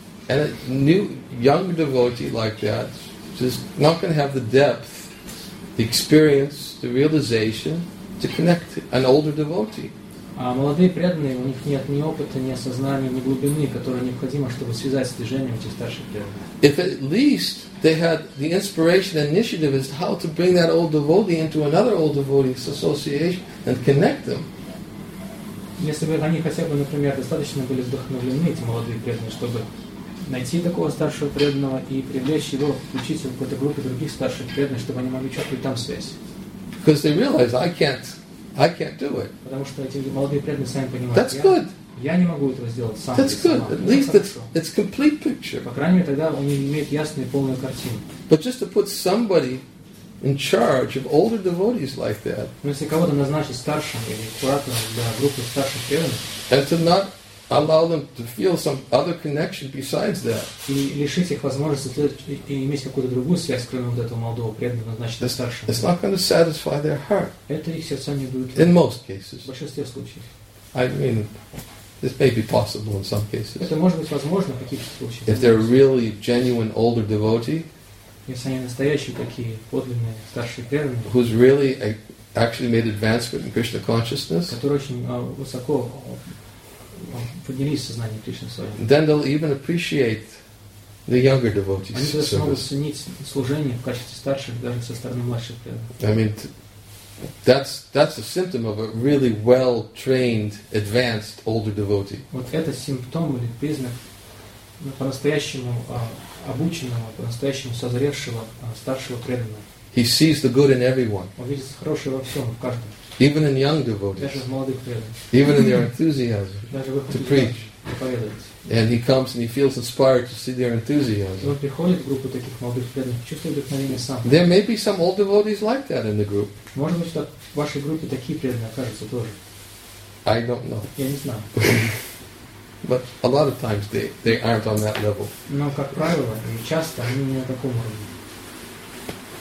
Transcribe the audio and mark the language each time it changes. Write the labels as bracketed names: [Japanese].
[English] And a new young devotee like that just not going to have the depth, the experience, the realization to connect an older devotee. [Russian] А молодые преданные, у них нет ни опыта, ни осознания, ни глубины, которое необходимо, чтобы связать с движением этих старших преданных. [English] If at least they had the inspiration and initiative as to how to bring that old devotee into another old devotee's association and connect them. [Russian] Если бы они хотя бы, например, достаточно были вдохновлены, эти молодые преданные, чтобы найти такого старшего преданного и привлечь его, включить его в какую-то группу других старших преданных, чтобы они могли чувствовать там связь. [English] Because they realize I can't do it. [Russian] Потому что эти молодые преданные сами понимают. [English] That's good. [Russian] Я не могу этого сделать сам. [English] That's good. At least it's complete picture. [Russian] По крайней мере, тогда они имеют ясную и полную картину. [English] But just to put somebody in charge of older devotees like that. [Russian] Но если кого-то назначить старшим или куратором для группы старших преданных. [English] And to not allow them to feel some other connection besides that. [Russian] И лишить их возможности и иметь какую-то другую связь, кроме вот этого молодого преданного, назначить старшим. [English] It's not going to satisfy their heart. [Russian] Это их сердца не будет. [English] In most cases. [Russian] В большинстве случаев. [English] I mean, this may be possible in some cases. [Russian] Это может быть возможно в каких-то случаях. [English] If they're really genuine older devotee. [Russian] Если они настоящие, такие подлинные старшие преданные, [English] who's really actually made advancement in Krishna consciousness, [Russian] которые очень высоко поднялись в сознании Кришны своем, [English] then they'll even appreciate the younger devotees. [Russian] Они даже смогут ценить служение в качестве старших, даже со стороны младших преданных. [English] I mean, that's a symptom of a really well-trained, advanced older devotee. [Russian] Вот это симптом или признак по-настоящему обученного, по-настоящему созревшего старшего преданного. [English] He sees the good in everyone. [Russian] Он видит хорошее во всем, в каждом. [English] Even in young devotees. [Russian] Даже в молодых преданных. [English] Even in their enthusiasm to preach. And he comes and he feels inspired to see their enthusiasm. [Russian] Он приходит в группу таких молодых преданных, чувствует вдохновение сам. [English] There may be some old devotees like that in the group. [Russian] Может быть, что в вашей группе такие преданные окажутся тоже. [English] I don't know. [Russian] Я не знаю. [English] But a lot of times they aren't on that level. [Russian] Но, как правило, и часто они не на таком уровне.